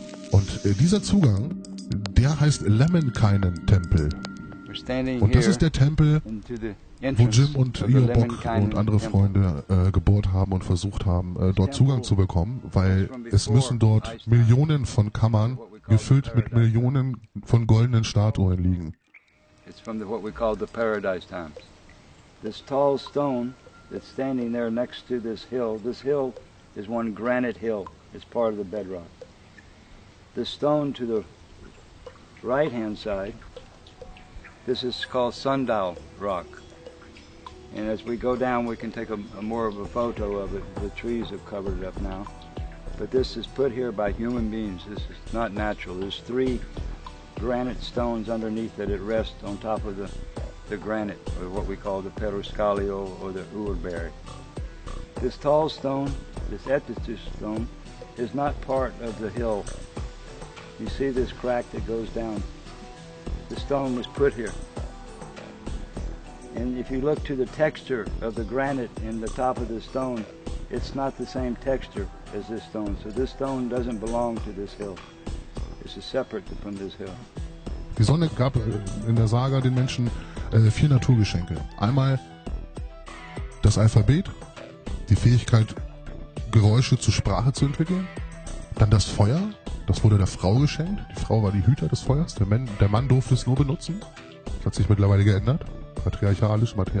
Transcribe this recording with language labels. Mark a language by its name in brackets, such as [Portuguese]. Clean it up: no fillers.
[German] Und dieser Zugang, der heißt Lemminkainen-Tempel. Und das ist der Tempel, wo Jim und Iobok und andere Freunde gebohrt haben und versucht haben, dort Zugang zu bekommen, weil es müssen dort Millionen von Kammern gefüllt mit Millionen von goldenen Statuen liegen. [English] It's from the, what we call the Paradise Times. This tall stone that's standing there next to this hill is one granite hill, it's part of the bedrock. The stone to the right hand side, this is called Sundial Rock. And as we go down, we can take a more of a photo of it. The trees have covered it up now. But this is put here by human beings. This is not natural. There's three granite stones underneath that it rests on top of the granite, or what we call the Peruscalio or the Uruberry. This tall stone, this Etitus stone, is not part of the hill. You see this crack that goes down? The stone was put here. And if you look to the texture of the granite in the top of the stone, it's not the same texture as this stone. So this stone doesn't belong to this hill. It's a separate from this hill. [German] Die Sonne gab in der Saga den Menschen vier Naturgeschenke. Einmal das Alphabet, die Fähigkeit, Geräusche zur Sprache zu entwickeln, dann das Feuer, das wurde der Frau geschenkt, die Frau war die Hüter des Feuers, der Mann durfte es nur benutzen, das hat sich mittlerweile geändert, matriarchalisch.